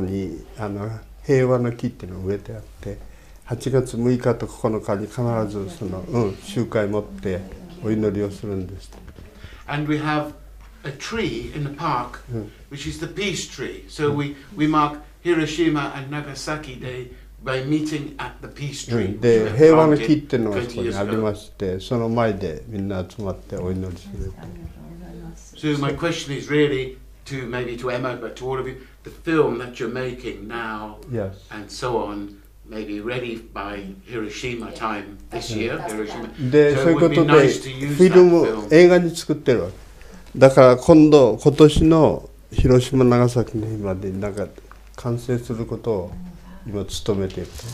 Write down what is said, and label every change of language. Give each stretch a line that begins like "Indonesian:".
Japanese: ここから200ヤードぐらい離れたところに平和の木っていうのを植えてあって 8月6日と9日に必ずその、集会を持ってお祈りをするんです。
English: And we have a tree in the park, which is the peace tree. So we mark Hiroshima and Nagasaki Day by meeting at the peace tree.
Japanese: で、平和の木っていうのがそこにありまして、その前でみんな集まってお祈りする。
English: So my question is really to maybe to Emma, but to all of you, the film that you're making now, yes. and so on,Maybe ready by Hiroshima time this year. Hiroshima.
Japanese: で、そういうことで、フィルム映画に作ってるわけ。だから今度今年の広島長崎の日までなんか完成することを今努めてる。